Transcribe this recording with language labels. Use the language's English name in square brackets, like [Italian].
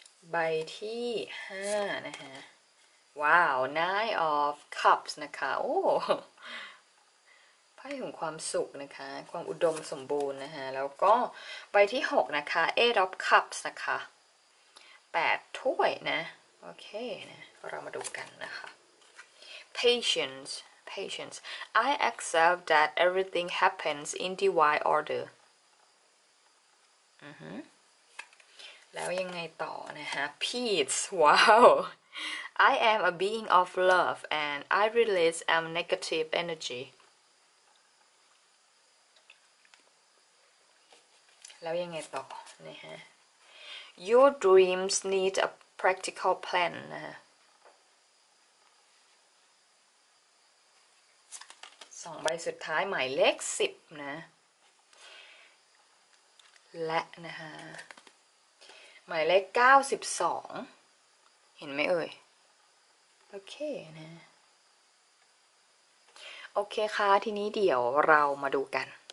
[Thai] ใบที่ห้านะฮะว้าว Nine of Cups นะคะโอ้ไพ่ของความสุขนะคะความอุดมสมบูรณ์นะฮะแล้วก็ใบที่หกนะคะ Eight of Cups นะคะแปดถ้วยนะโอเคนะเรามาดูกันนะคะ Patience. [English] I accept that everything happens in divine order. [Thai] แล้วยังไงต่อนะฮะ Peace. [English] Wow. I am a being of love and I release a negative energy. [Thai] แล้วยังไงต่อนะฮะ [English] Your dreams need a practical plan. [Thai] นะฮะสองใบสุดท้ายหมายเลข10นะและนะฮะหมายเลข92เห็นไหมเอ่ยโอเคนะโอเคค่ะทีนี้เดี๋ยวเรามาดูกัน